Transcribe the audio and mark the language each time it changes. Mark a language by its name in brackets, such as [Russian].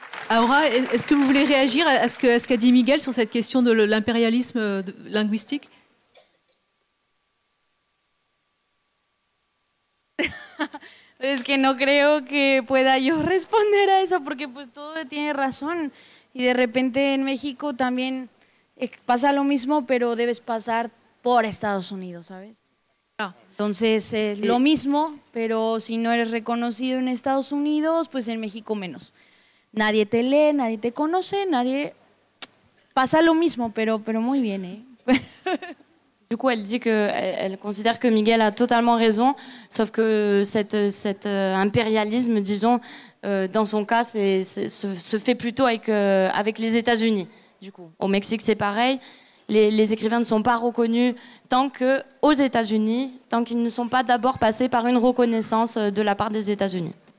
[French] Aura, est-ce que vous voulez réagir à ce, que, à ce qu'a dit Miguel sur cette question de l'impérialisme linguistique ? [Spanish] Es que no creo que pueda yo responder a eso porque pues todo tiene razón y de repente en México también pasa lo mismo pero debes pasar por Estados Unidos, ¿sabes? Entonces sí. Lo mismo, pero si no eres reconocido en Estados Unidos, pues en México menos. Nadie te lee, nadie te conoce, nadie pasa lo mismo, pero muy bien, ¿eh? [French] Du coup, elle dit que elle considère que Miguel a totalement raison, sauf que cet impérialisme, disons, dans son cas, se fait plutôt avec les États-Unis. Du coup, au Mexique, c'est pareil. Les écrivains ne sont pas reconnus tant que aux États-Unis, tant qu'ils ne sont pas d'abord passés par une reconnaissance de la part des États-Unis.